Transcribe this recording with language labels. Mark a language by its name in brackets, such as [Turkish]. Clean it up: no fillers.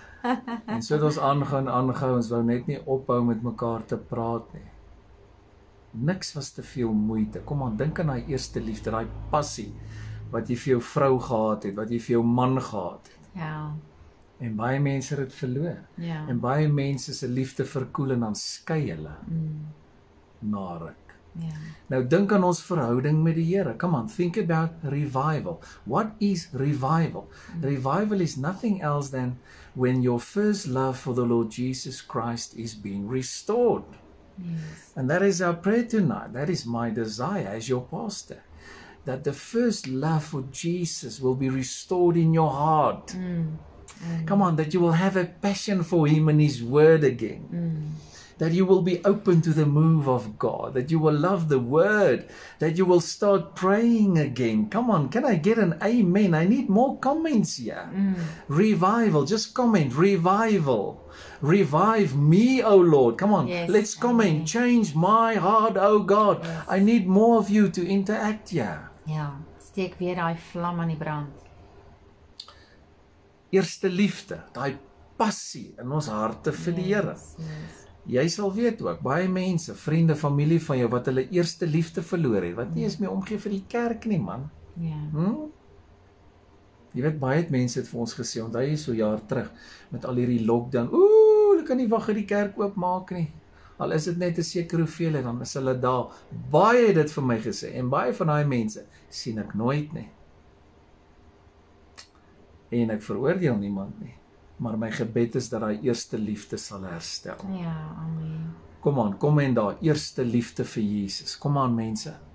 [Afrikaans] En so het ons aangaan, aangaan, ons wou net nie ophou met mekaar te praat nie. Niks was te veel moeite. Kom aan, denk aan die eerste liefde, die passie, wat jy vir jou vrou gehad het, wat jy vir jou man gehad het. Ja. En baie mense het verloor. Ja. En baie mense se liefde verkoel en dan skei hulle. Narik. Ja. Nou, denk aan ons verhouding met die Here. [English] Come on, think about revival. What is revival? Revival is nothing else than when your first love for the Lord Jesus Christ is being restored. Yes. And that is our prayer tonight. That is my desire as your pastor. That the first love for Jesus will be restored in your heart. Come on, that you will have a passion for Him and His Word again. That you will be open to the move of God. That you will love the Word. That you will start praying again. Come on, can I get an amen? I need more comments here. Revival, just comment, revival. Revive me, O Lord. Come on, yes, let's comment. Amen. Change my heart, O God. Yes. I need more of you to interact here. [Afrikaans] Ja, steek weer die vlam aan die brand. Eerste liefde, die passie in ons harte vir die Here. [English] Yes, yes. [Afrikaans] Jy sal weet ook, baie mense, vriende, familie van jou, wat hulle eerste liefde verloor het, wat nie is meer omgee vir die kerk nie, man. [English] Yeah. [Afrikaans] Jy weet, baie het mense het vir ons gesê, want hy is so jaar terug, met al hierdie lockdown, oeh, hulle kan nie wacht die kerk oopmaak nie. Al is het net een sekere hoeveel, dan is hulle daar. Baie het dit vir my gesê, en baie van die mense, sien ek nooit nie. En ek veroordeel niemand nie. Maar my gebed is dat hy eerste liefde sal herstel. Ja, amen. Kom aan, kom in daar, eerste liefde vir Jesus. Kom aan, mense.